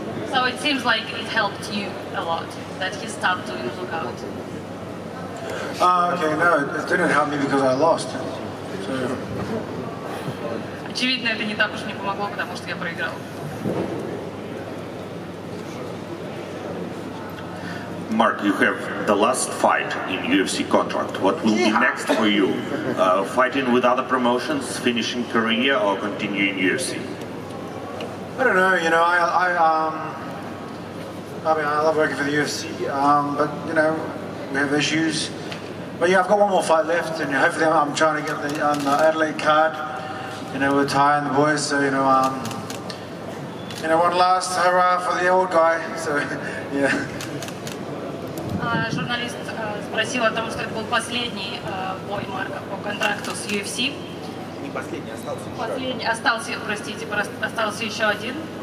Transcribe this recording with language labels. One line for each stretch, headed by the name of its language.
English: So it seems like it helped you a lot that he stopped doing the lookout. Okay, no, it didn't help me because I lost. Очевидно, это не так уж не помогло, потому что я проиграл. Mark, you have the last fight in UFC contract. What will be next for you? Fighting with other promotions, finishing career, or continuing UFC? I don't know. You know, I love working for the UFC, but you know, we have issues. But yeah, I've got one more fight left, and hopefully, I'm trying to get the Adelaide card. You know, with Ty and the boys. So you know, one last hurrah for the old guy. So yeah.
Russian: Журналист спросил о том, что это был последний бой Марка по контракту с UFC. Не последний, остался еще. Последний, остался, простите, остался еще один.